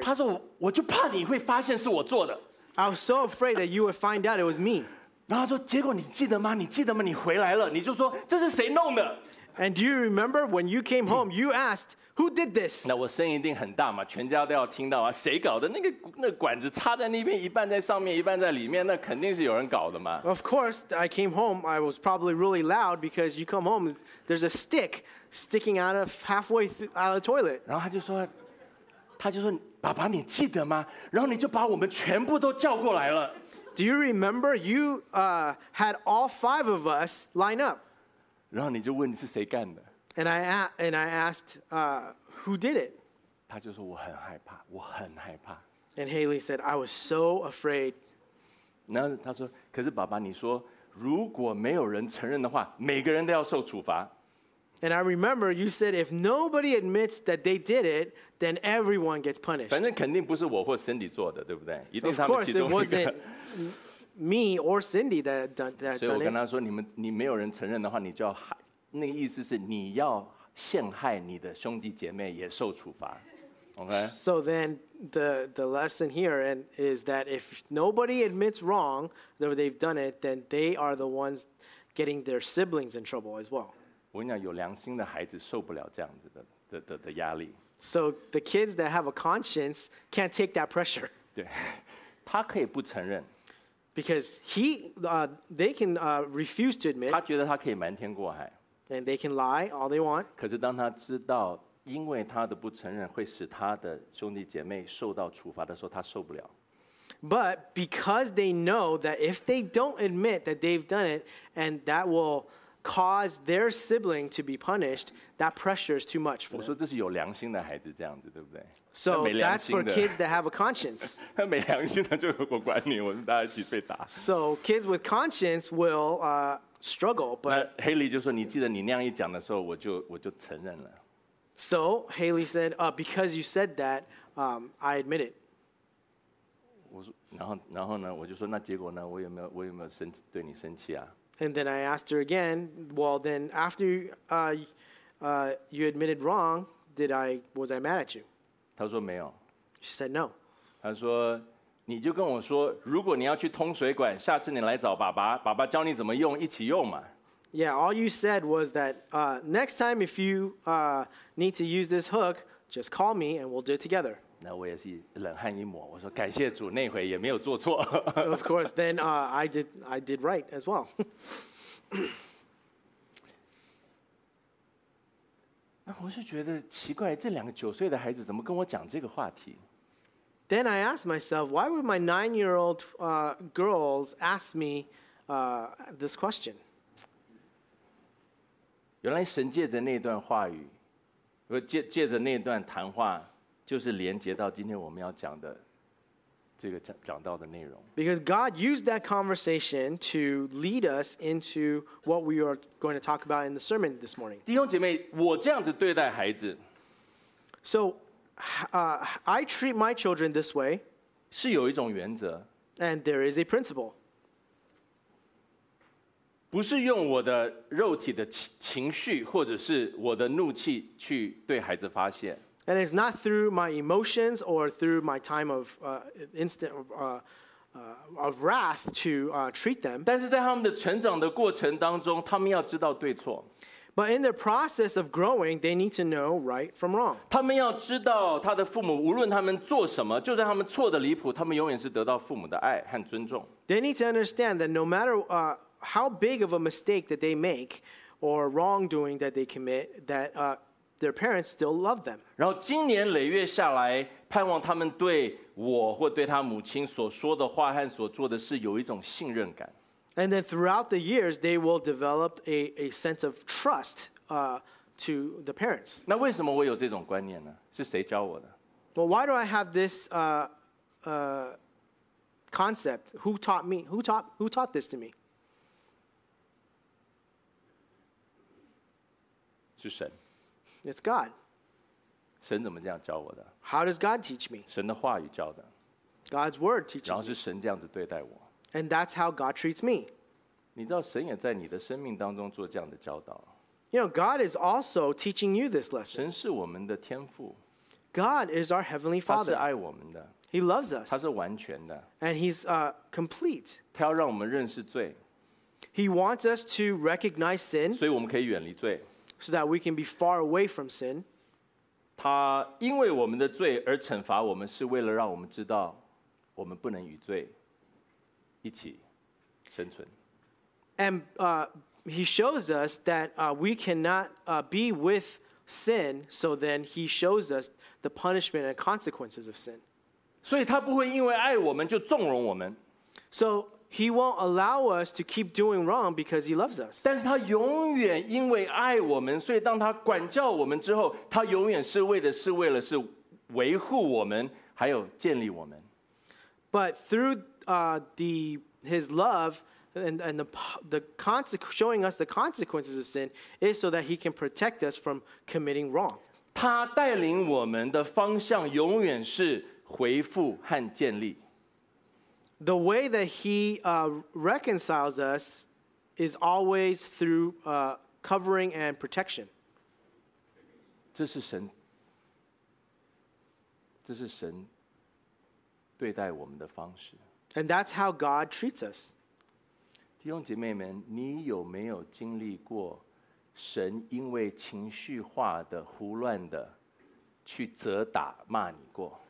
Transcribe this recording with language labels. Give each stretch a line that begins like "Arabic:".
Chinese: 他说我就怕你会发现是我做的。
English: I was so afraid that you would find out it was me.
Chinese: 然后他说结果你记得吗？你记得吗？你回来了，你就说这是谁弄的。
English: And do you remember when you came home, you asked, Who did this?
Chinese: 那我声音一定很大嘛，全家都要听到啊！谁搞的？那管子插在那边，一半在上面，一半在里面，那肯定是有人搞的嘛。
English: Of course, I came home. I was probably really loud because you come home. There's a stick sticking out of halfway out of the toilet.
Chinese: 然后他就说，爸爸，你记得吗？然后你就把我们全部都叫过来了。
English: Do you remember? You had all five of us line up.
Chinese: 然后你就问你是谁干的。
English: And I asked, who did it?
Chinese: 他就说我很害怕，我很害怕。
English: And Haley said, I was so afraid.
Chinese: 然后他说，可是爸爸，你说如果没有人承认的话，每个人都要受处罚。
English: And I remember you said, if nobody admits that they did it, then everyone gets punished.
Chinese: 反正肯定不是我或 Cindy 做的，对不对？一定是他们其中一个。
English: Of course, it wasn't me or Cindy that.
Chinese: 所以我跟他说，你没有人承认的话，你就要喊。那个意思是你要陷害你的兄弟姐妹也受处罚 okay?
English: So then the lesson here is that if nobody admits wrong that they've done it, then they are the ones getting their siblings in trouble as well.
Chinese: 我跟你讲，有良心的孩子受不了这样子的压力。
English: So the kids that have a conscience can't take that pressure.
Chinese: 对，他可以不承认。
English: Because they can refuse to admit.
Chinese: 他觉得他可以瞒天过海。
English: And they can lie all they want.
Chinese: 可是当他知道，因为他的不承认会使他的兄弟姐妹受到处罚的时候，他受不了。
English: But because they know that if they don't admit that they've done it, and that will cause their sibling to be punished, that pressure is too much for them.
Chinese: 我说这是有良心的孩子这样子，对不对？
English: So that's for kids that have a conscience.
Chinese: 他没良心的就我管你，我们大家一起被打。
English: So kids with conscience will. Struggle, but
Chinese: Haley 就说：“你记得你那样一讲的时候，我就承认了。”
English: So Haley said, because you said that, I admit it.
Chinese: 我说，然后呢，我就说，那结果呢？我有没有生气，对你生气啊？”
English: And then I asked her again. Well, then after you admitted wrong, was I mad at you?
Chinese: 她说没有。
English: She said no.
Chinese: 她说。你就跟我说，如果你要去通水管，下次你来找爸爸，爸爸教你怎么用，一起用嘛。
English: Yeah, all you said was that next time if you need to use this hook, just call me and we'll do it together.
Chinese: 那我也是冷汗一抹，我说感谢主，那回也没有做错。
English: Of course, then I did right as well.
Chinese: 那我是觉得奇怪，这两个九岁的孩子怎么跟我讲这个话题？
English: Then I asked myself, why would my 9-year-old girls ask me this question?
Chinese: 原来神借着那段话语，借着那段谈话，就是连接到今天我们要讲的这个讲到的内容。
English: Because God used that conversation to lead us into what we are going to talk about in the sermon this morning.
Chinese: 弟兄姐妹，我这样子对待孩子。
English: So,I treat my children this way.
Chinese: 是有一种原则。
English: And there is a principle.
Chinese: 不是用我的肉体的情绪或者是我的怒气去对孩子发泄。
English: And it's not through my emotions or through my time of instant of wrath to treat them.
Chinese: 但是在他们的成长的过程当中，他们要知道对错。
English: But in the process of growing, they need to know right from wrong.
Chinese: 他们要知道他的父母无论他们做什么，就算他们错得离谱，他们永远是得到父母的爱和尊重。
English: They need to understand that no matter how big of a mistake that they make or wrongdoing that they commit, that their parents still love them.
Chinese: 然后今年累月下来，盼望他们对我或对他母亲所说的话和所做的事有一种信任感。
English: And then throughout the years, they will develop a sense of trust, to the parents.
Chinese: 那为什么我有这种观念呢？是谁教我的？
English: Well, why do I have this concept? Who taught me? Who taught this to me?
Chinese: 是神。
English: It's God.
Chinese: 神怎么这样教我的？
English: How does God teach me?
Chinese: 神的话语教的。
English: God's word teaches me.
Chinese: 然后是神这样子对待我。
English: And that's how God treats me.
Chinese: 你知道神也在你的生命当中做这样的教导。
English: You know, God is also teaching you this lesson.
Chinese: 神是我们的天父。
English: God is our Heavenly Father.
Chinese: 他是爱我们的。
English: He loves us.
Chinese: 他是完全的。
English: And he's complete.
Chinese: 他要让我们认识罪。
English: He wants us to recognize sin.
Chinese: 所以我们可以远离罪。
English: So that we can be far away from sin.
Chinese: 他因为我们的罪而惩罚我们，是为了让我们知道我们不能与罪一起生存。
English: And he shows us that we cannot be with sin, so then he shows us the punishment and consequences of sin.
Chinese: 所以他不会因为爱我们就纵容我们。
English: So he won't allow us to keep doing wrong because he loves us.
Chinese: 但是他永远因为爱我们，所以当他管教我们之后，他永远是为的是为了是维护我们，还有建立我们。
English: But through his love and the showing us the consequences of sin is so that he can protect us from committing wrong.
Chinese: 他带领我们的方向永远是回复和建立。
English: The way that he reconciles us is always through covering and protection.
Chinese: 这是神对待我们的方式。
English: And that's how God treats us.
Chinese: 弟兄姐妹们，你有没有经历过神因为情绪化的、胡乱的去责打、骂你过？